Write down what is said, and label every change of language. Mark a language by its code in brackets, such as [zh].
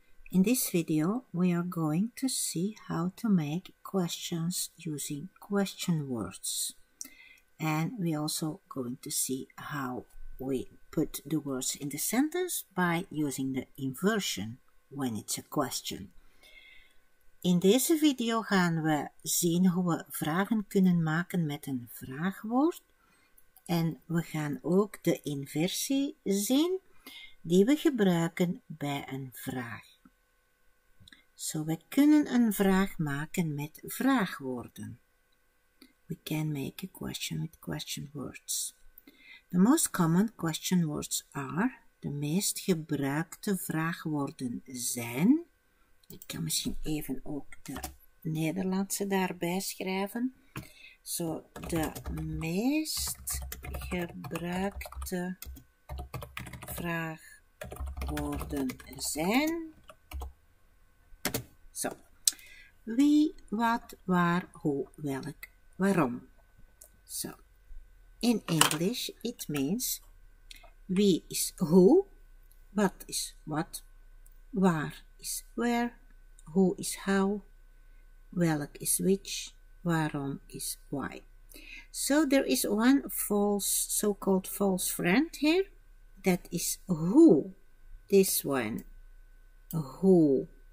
[en] In this video, we are going to see how to make questions using question words. And we are also going to see how we put the words in the sentence by using the inversion when it's a question. [nl] In deze video gaan we zien hoe we vragen kunnen maken met een vraagwoord. En we gaan ook de inversie zien die we gebruiken bij een vraag. So we kunnen een vraag maken met vraagwoorden. [en] We can make a question with question words. The most common question words are, [nl] de meest gebruikte vraagwoorden zijn, ik kan misschien even ook de Nederlandse daarbij schrijven, zo, de meest gebruikte vraagwoorden zijn. Zo. Wie, wat, waar, hoe, welk, waarom. Zo. [en] In English it means wie is who, wat is what, waar is where, who is how, welk is which, waarom is why. So there is one false, so-called false friend here, that is who, this one, who.